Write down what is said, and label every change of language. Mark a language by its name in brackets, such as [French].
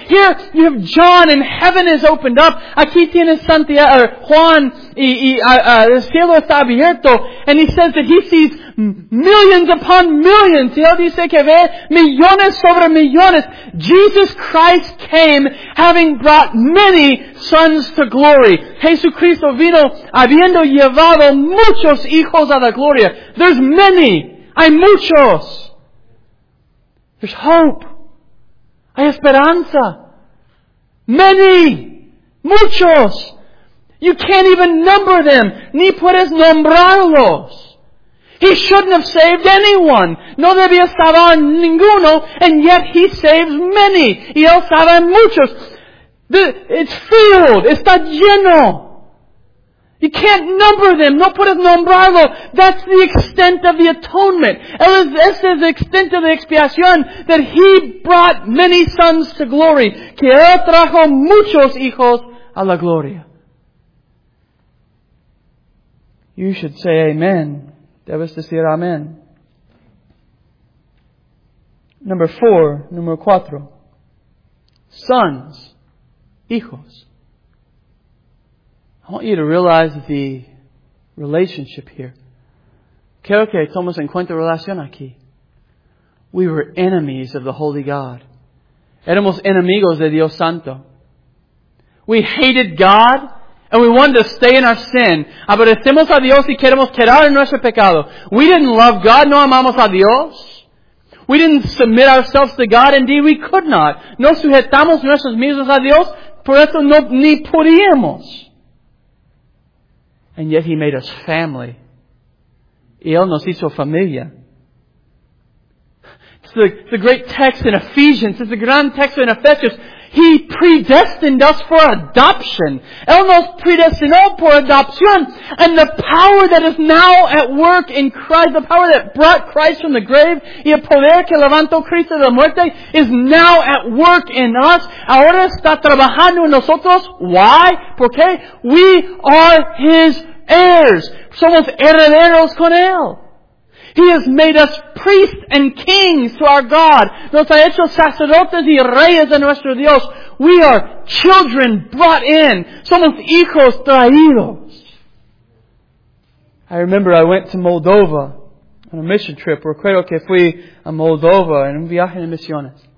[English] Here you have John and heaven is opened up. [Spanish] Aquí tienes Santiago, Juan y el cielo está abierto. [English] And he says that he sees millions upon millions. [Spanish] Y él dice que ve millones sobre millones. [English] Jesus Christ came having brought many sons to glory. [Spanish] Jesucristo vino habiendo llevado muchos hijos a la gloria. [English] There's many. [Spanish] Hay muchos. [English] There's hope. [Spanish] Hay esperanza. [English] Many. [Spanish] Muchos. [English] You can't even number them. [Spanish] Ni puedes nombrarlos. [English] He shouldn't have saved anyone. [Spanish] No debía salvar ninguno. [English] And yet he saves many. [Spanish] Y él salva muchos. [English] It's filled. [Spanish] Está lleno. [English] You can't number them. [Spanish] No puedes nombrarlo. [English] That's the extent of the atonement. [Spanish] Ese es [English] the extent of the expiación, that he brought many sons to glory. [Spanish] Que él trajo muchos hijos a la gloria. [English] You should say amen. [Spanish] Debes decir amen. Número cuatro. [English] Sons. [Spanish] Hijos. [English] I want you to realize the relationship here. [Spanish] Quiero que tomes en cuenta relación aquí. [English] We were enemies of the Holy God. [Spanish] Éramos enemigos de Dios Santo. [English] We hated God and we wanted to stay in our sin. [Spanish] Aborrecemos a Dios y queremos quedar en nuestro pecado. [English] We didn't love God, [Spanish] no amamos a Dios. [English] We didn't submit ourselves to God. Indeed, we could not. [Spanish] No sujetamos nuestros mismos a Dios. Por eso no ni podíamos. [English] And yet he made us family. [Spanish] Y él nos hizo familia. [English] It's the great text in Ephesians. It's the grand text in Ephesians. He predestined us for adoption. [Spanish] Él nos predestinó por adopción. [English] And the power that is now at work in Christ, the power that brought Christ from the grave, [Spanish] y el poder que levantó Cristo de la muerte, [English] is now at work in us. [Spanish] Ahora está trabajando en nosotros. [English] Why? [Spanish] ¿Por qué? [English] We are His heirs. [Spanish] Somos herederos con Él. [English] He has made us priests and kings to our God. [Spanish] Nos ha hecho sacerdotes y reyes de nuestro Dios. [English] We are children brought in. [Spanish] Somos hijos traídos. [English] I remember I went to Moldova on a mission trip. [Spanish] Recuerdo que fui a Moldova en un viaje de misiones.